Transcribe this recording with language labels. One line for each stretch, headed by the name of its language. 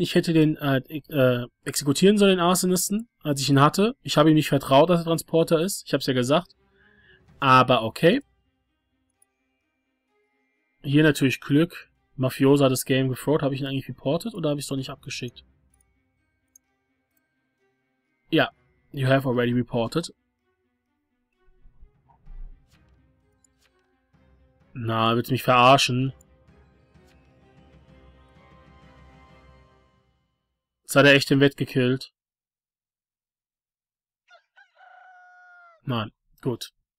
German: Ich hätte den exekutieren sollen, den Arsonisten, als ich ihn hatte. Ich habe ihm nicht vertraut, dass er Transporter ist. Ich habe es ja gesagt. Aber okay. Hier natürlich Glück. Mafiosa hat das Game gefraut. Habe ich ihn eigentlich reportet oder habe ich es doch nicht abgeschickt? Ja,
English: you have already reported.
German: Na, willst du mich verarschen? Jetzt hat er echt den Wett gekillt. Nein, gut.